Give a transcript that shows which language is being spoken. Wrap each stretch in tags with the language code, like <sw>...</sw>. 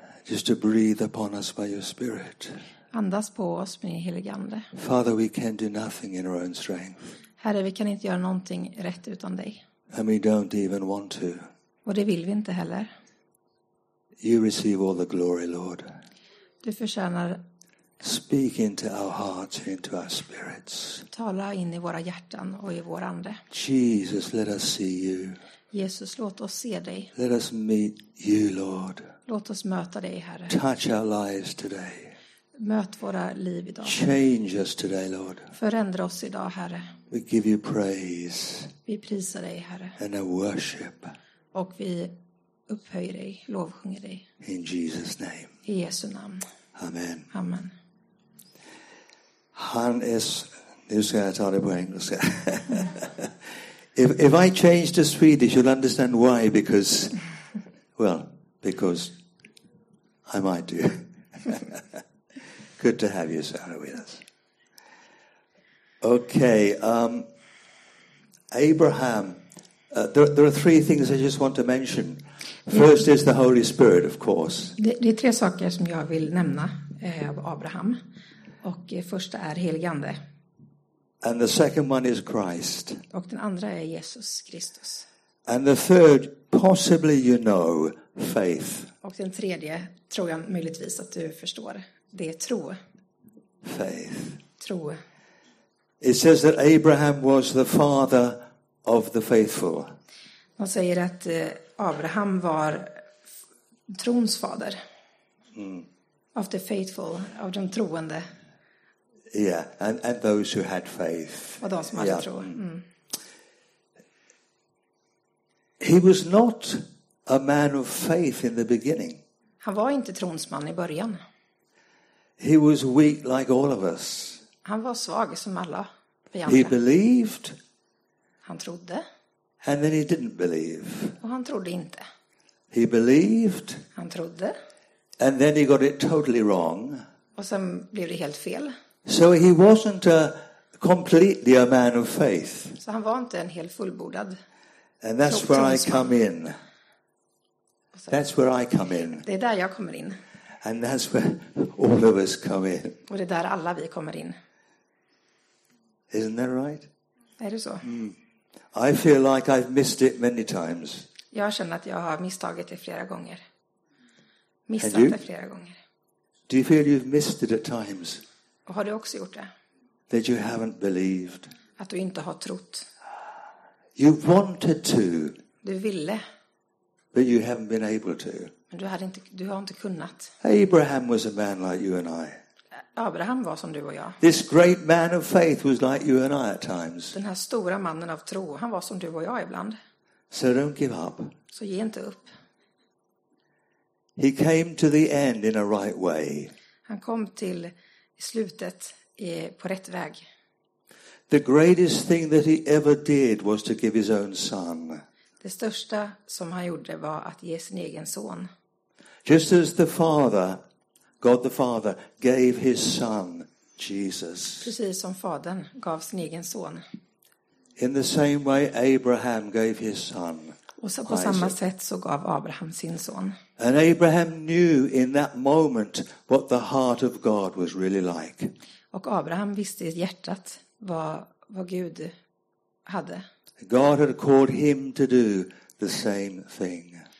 <en>Just to breathe upon us by your spirit.</en> <sv>Andas på oss med din helige ande.</sv> <en>Father, we can do nothing in our own strength.</en> <sv>Herre, vi kan inte göra någonting rätt utan dig.</sv> <en>And we don't even want to.</en> <sv>Och det vill vi inte heller.</sv> <en>You receive all the glory, Lord.</en> <sv>Du förtjänar.</sv> <en>Speak into our hearts and into our spirits.</en> <sv>Tala in i våra hjärtan och i vår ande.</sv> <en>Jesus, let us see you.</en> <sv>Jesus, låt oss se dig.</sv> <en>Let us meet you, Lord.</en> <sv>Låt oss möta dig, Herre.</sv> <en>Touch our lives today.</en> <sv>Möt våra liv idag.</sv> <en>Change us today, Lord.</en> <sv>Förändra oss idag, Herre.</sv> <en>We give you praise.</en> <sv>Vi prisar dig, Herre.</sv> <en>And I worship.</en> <sv>Och vi upphöjer dig, lovsjunger dig.</sv> <en>In Jesus' name.</en> <sv>I Jesu namn.</sv> <en>Amen.</en> <sv>Amen. Han är, nu ska jag ta det på engelska.</sv> <en>If I change to Swedish, you'll understand why, because, well, because I might do. Good to have you, Sarah, with us. Okay, Abraham, there are three things I just want to mention. First is the Holy Spirit, of course.</en> <sv>Det är tre saker som jag vill nämna av Abraham. Och första är heligande.</sv> <en>And the second one is Christ.</en> <sv>Och den andra är Jesus Kristus.</sv> <en>And the third, possibly you know, faith.</en> <sv>Och den tredje tror jag möjligtvis att du förstår. Det är tro.</sv> <en>Faith.</en> <sv>Tro.</sv> <en>It says that Abraham was the father of the faithful.</en> <sv>Man säger att Abraham var trons fader.</sv> <en>Mm. Of the faithful,</en> <sv>av de troende.</sv> <en>Yeah, and those who had faith.</en> <sv>Och de som hade tro. Mm.</sv> <en>He was not a man of faith in the beginning.</en> <sv>Han var inte tronsman i början.</sv> <en>He was weak like all of us.</en> <sv>Han var svag som alla.</sv> <en>He believed.</en> <sv>Han trodde.</sv> <en>And then he didn't believe.</en> <sv>Och han trodde inte.</sv> <en>He believed.</en> <sv>Han trodde.</sv> <en>And then he got it totally wrong.</en> <sv>Och sen blev det helt fel.</sv> <en>So he wasn't completely a man of faith.</en> <sv>Så han var inte en helt fullbordad.</sv> <en>And that's where I come in. That's where I come in.</en> <sv>Det är där jag kommer in.</sv> <en>And that's where all of us come in.</en> <sv>Och det är där alla vi kommer in.</sv> <en>Isn't that right?</en> <sv>Är det så? Mm.</sv> <en>I feel like I've missed it many times.</en> <sv>Jag känner att jag har misstagit det flera gånger. Missat det flera gånger.</sv> <en>Do you feel you've missed it at times?</en> <sv>Och har du också gjort det?</sv> <en>That you haven't believed.</en> <sv>Att du inte har trott.</sv> <en>You wanted to.</en> <sv>Du ville.</sv> <en>But you haven't been able to.</en> <sv>Men du har inte kunnat.</sv> <en>Abraham was a man like you and I.</en> <sv>Abraham var som du och jag.</sv> <en>This great man of faith was like you and I at times.</en> <sv>Den här stora mannen av tro, han var som du och jag ibland.</sv> <en>So don't give up.</en> <sv>Så ge inte upp.</sv> <en>He came to the end in a right way.</en> <sv>Han kom till slutet på rätt väg.</sv> <en>The greatest thing that he ever did was to give his own son.</en> <sv>Det största som han gjorde var att ge sin egen son.</sv> <en>Just as the father, God the Father gave his son Jesus.</en> <sv>Precis som fadern gav sin egen son.</sv> <en>In the same way Abraham gave his son.</en> <sv>Och så på Isaac. Samma sätt så gav Abraham sin son.</sv> <en>And Abraham knew in that moment what the heart of God was really like.</en> <sv>Och Abraham visste i hjärtat vad Gud hade.</sv> <en>God had called him to do the same thing.</en>